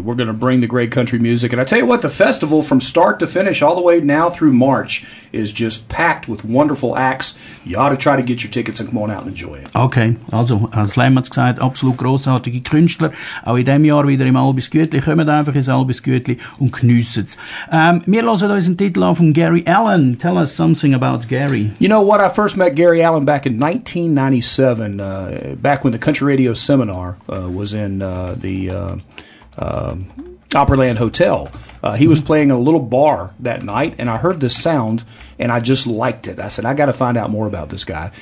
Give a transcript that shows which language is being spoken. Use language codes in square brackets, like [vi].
[en] We're going to bring the great country music. And I tell you what, the festival from start to finish all the way now through March is just packed with wonderful acts. You ought to try to get your tickets and come on out and enjoy it. [de] Okay, also Slam hat es gesagt, absolut grossartige Künstler. Auch in diesem Jahr wieder im Albisgütli kommen da einfach ein halbes Gütli und geniessen es. Wir hören uns einen Titel an von Gary Allen. [en] Tell us something about Gary. You know what? I first met Gary Allen back in 1997, back when the Country Radio Seminar was in the Opryland Hotel. He was playing a little bar that night, and I heard this sound, and I just liked it. I said, I got to find out more about this guy.